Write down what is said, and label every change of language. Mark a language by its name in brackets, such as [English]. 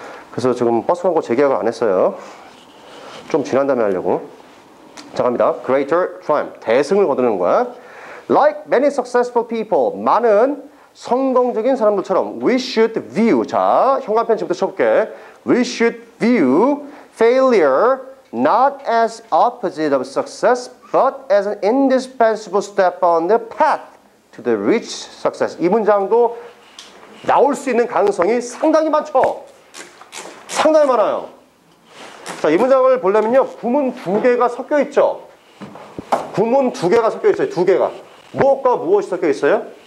[Korean] 그래서 지금 버스 광고 재계약을 안 했어요. 좀 지난 다음에 하려고. 자, 갑니다. [English] Greater triumph. [Korean] 대승을 거두는 거야. [English] Like many successful people. [Korean] 많은 성공적인 사람들처럼. [English] We should view. [Korean] 자, 형광펜 지금부터 쳐볼게. [English] We should view failure not as opposite of success, but as an indispensable step on the path to the rich success. [Korean] 이 문장도 나올 수 있는 가능성이 상당히 많죠. 상당히 많아요. 자, 이 문장을 보려면요. 구문 두 개가 섞여 있죠. 구문 두 개가 섞여 있어요. 두 개가. 무엇과 무엇이 섞여 있어요?